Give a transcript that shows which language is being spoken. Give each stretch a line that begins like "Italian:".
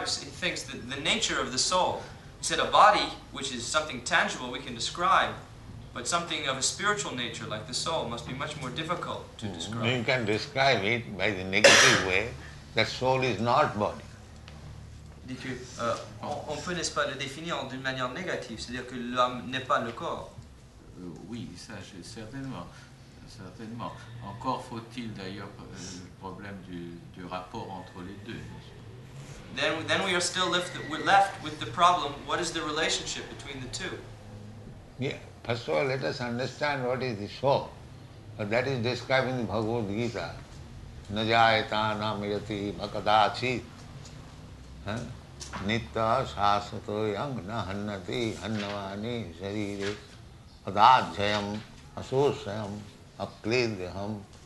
English: He thinks that the nature of the soul. He said a body, which is something tangible, we can describe, but something of a spiritual nature like the soul must be much more difficult to describe. You can describe it by the negative way. That soul is not body.
French: Dit que on peut, n'est-ce pas, le définir d'une manière négative, c'est-à-dire que l'âme n'est pas le corps. Oui, ça c'est certainement. Encore faut-il d'ailleurs le problème du rapport entre les deux.
English: Then we are still left with the problem. What is the relationship between the two? Yeah. First of all, let us understand what is the soul. But that is describing the Bhagavad Gita.
Sanskrit: Na jayata na mayati makadachi nitta shasato yang na hannati hannavani sharire adadhyayam asosayam akledyaham.